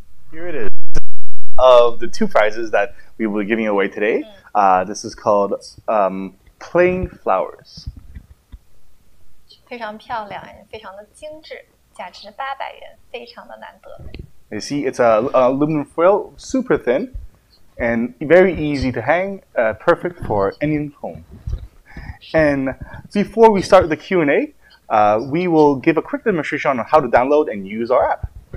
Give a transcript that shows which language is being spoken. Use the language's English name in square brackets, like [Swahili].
[English] Here it is. Of the two prizes that we will be giving away today, this is called Plain Flowers. [Chinese] 非常漂亮，非常的精致，价值800元，非常的难得。 [English] You see, it's a aluminum foil, super thin, and very easy to hang, perfect for any home. And before we start the Q&A, we will give a quick demonstration on how to download and use our app.